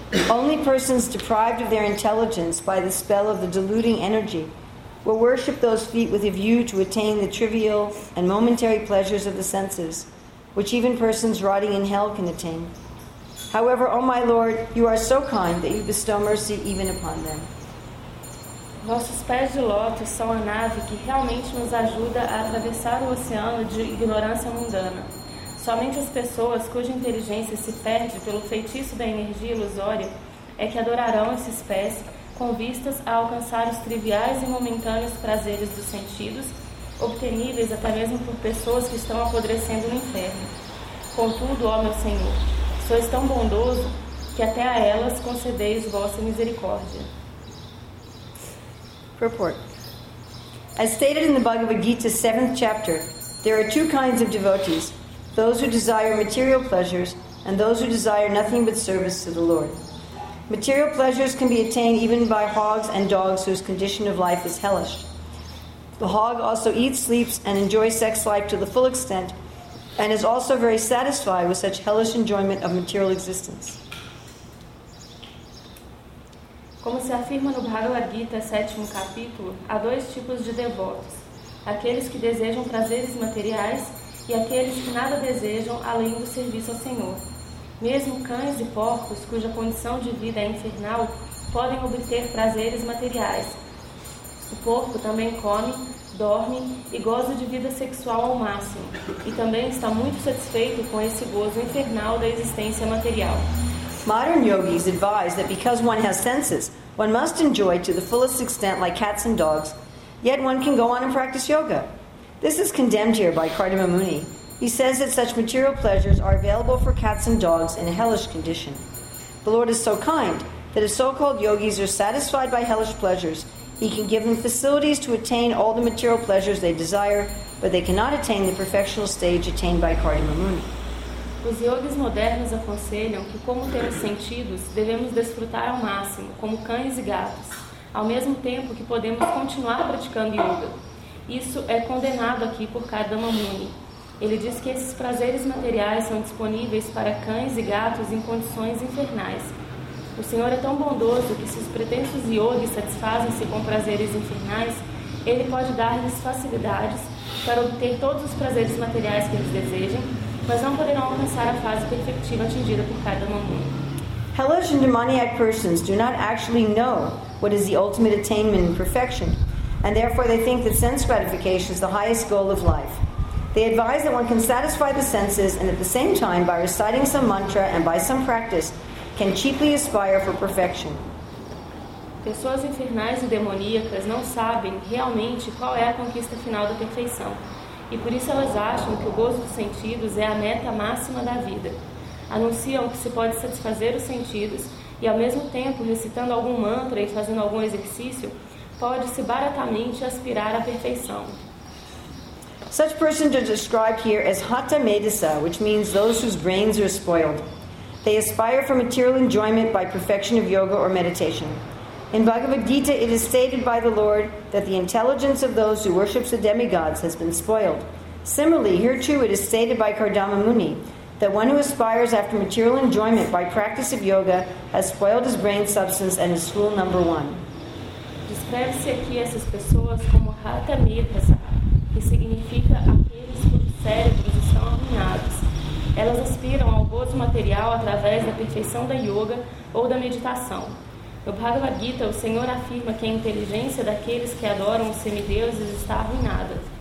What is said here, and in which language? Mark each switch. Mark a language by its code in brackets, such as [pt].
[en] Only persons deprived of their intelligence by the spell of the deluding energy will worship those feet with a view to attain the trivial and momentary pleasures of the senses, which even persons rotting in hell can attain. However, O my Lord, you are so kind that you bestow mercy even upon them. [pt] Vossos pés de lótus são a nave que realmente nos ajuda a atravessar o oceano de ignorância mundana. Somente as pessoas cuja inteligência se perde pelo feitiço da energia ilusória é que adorarão esses pés com vistas a alcançar os triviais e momentâneos prazeres dos sentidos, obteníveis até mesmo por pessoas que estão apodrecendo no inferno. Contudo, ó meu Senhor, sois tão bondoso que até a elas concedeis vossa misericórdia. [en] Purport. As stated in the Bhagavad Gita 7th chapter, there are two kinds of devotees, those who desire material pleasures and those who desire nothing but service to the Lord. Material pleasures can be attained even by hogs and dogs whose condition of life is hellish. The hog also eats, sleeps, and enjoys sex life to the full extent, and is also very satisfied with such hellish enjoyment of material existence. [pt] Como se afirma no Bhagavad Gita, 7º capítulo, há dois tipos de devotos, aqueles que desejam prazeres materiais e aqueles que nada desejam além do serviço ao Senhor. Mesmo cães e porcos, cuja condição de vida é infernal, podem obter prazeres materiais. O porco também come, dorme e goza de vida sexual ao máximo, e também está muito satisfeito com esse gozo infernal da existência material. [en] Modern yogis advise that because one has senses, one must enjoy to the fullest extent like cats and dogs, yet one can go on and practice yoga. This is condemned here by Kardama Muni. He says that such material pleasures are available for cats and dogs in a hellish condition. The Lord is so kind that if so-called yogis are satisfied by hellish pleasures, he can give them facilities to attain all the material pleasures they desire, but they cannot attain the perfectional stage attained by Kardama Muni. [pt] Os yogis modernos aconselham que, como temos sentidos, devemos desfrutar ao máximo, como cães e gatos, ao mesmo tempo que podemos continuar praticando yoga. Isso é condenado aqui por Kardama Muni. Ele diz que esses prazeres materiais são disponíveis para cães e gatos em condições infernais. O Senhor é tão bondoso que, se os pretensos yogis satisfazem-se com prazeres infernais, Ele pode dar-lhes facilidades para obter todos os prazeres materiais que eles desejem, mas não poderão alcançar a fase perfectiva atingida por cada mamãe. [en] Hellish and demoniac persons do not actually know what is the ultimate attainment in perfection, and therefore they think that sense gratification is the highest goal of life. They advise that one can satisfy the senses and at the same time, by reciting some mantra and by some practice, can cheaply aspire for perfection. [pt] Pessoas infernais e demoníacas não sabem realmente qual é a conquista final da perfeição, e por isso elas acham que o gozo dos sentidos é a meta máxima da vida. Anunciam que se pode satisfazer os sentidos e, ao mesmo tempo, recitando algum mantra e fazendo algum exercício, pode-se baratamente aspirar à perfeição. [en] Such persons are described here as hata medisa, which means those whose brains are spoiled. They aspire for material enjoyment by perfection of yoga or meditation. In Bhagavad Gita, it is stated by the Lord that the intelligence of those who worship the demigods has been spoiled. Similarly, here too, it is stated by Kardama Muni that one who aspires after material enjoyment by practice of yoga has spoiled his brain substance and is fool number one. [pt] Descreve-se aqui essas pessoas como hata medisa, que significa aqueles cujos cérebros estão arruinados. Elas aspiram ao gozo material através da perfeição da yoga ou da meditação. No Bhagavad Gita, o Senhor afirma que a inteligência daqueles que adoram os semideuses está arruinada.